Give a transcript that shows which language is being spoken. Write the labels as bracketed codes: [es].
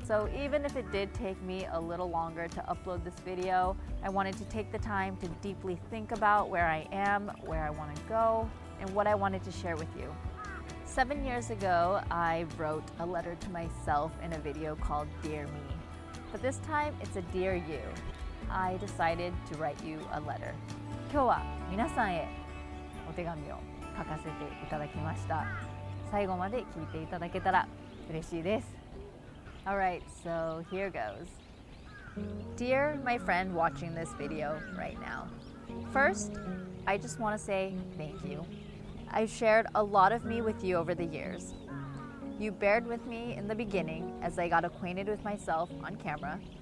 [en] So even if it did take me a little longer to upload this video, I wanted to take the time to deeply think about where I am, where I want to go, and what I wanted to share with you. 7 years ago, I wrote a letter to myself in a video called Dear Me. But this time, it's a Dear You. I decided to write you a letter. [ja] 今日は皆さんへお手紙を書かせていただきました。最後まで聞いていただけたら嬉しいです。 [en] Alright, so here goes. Dear my friend watching this video right now. First, I just want to say thank you. I've shared a lot of me with you over the years. You bared with me in the beginning as I got acquainted with myself on camera.